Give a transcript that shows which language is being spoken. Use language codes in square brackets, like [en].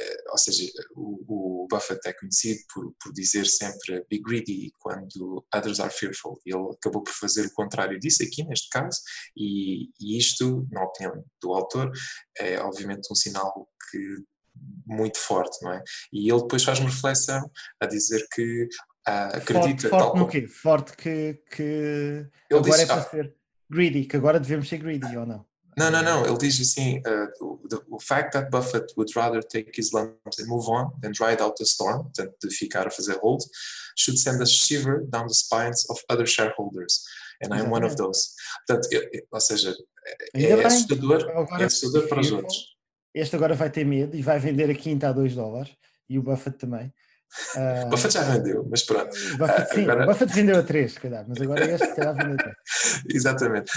[pt] ou seja, o Buffett é conhecido por dizer sempre [en] be greedy [pt] quando [en] others are fearful, [pt] e ele acabou por fazer o contrário disso aqui neste caso, e isto, na opinião do autor, é obviamente um sinal que muito forte, não é? E ele depois faz uma reflexão a dizer que acredita... Forte tal no como... quê? Forte que ele agora disse, é para ser greedy, que agora devemos ser greedy ou não? Não, ele diz assim, [en] the fact that Buffett would rather take his lumps and move on than ride out the storm, [pt] portanto de ficar a fazer hold, [en] should send a shiver down the spines of other shareholders, and I'm one of those. [pt] Portanto, é assustador, para os outros. Este agora vai ter medo e vai vender a quinta a 2 dólares, e o Buffett também. O Buffett já vendeu, mas pronto. O Buffett vendeu a 3, se calhar, mas agora este será a vender a 3. Exatamente.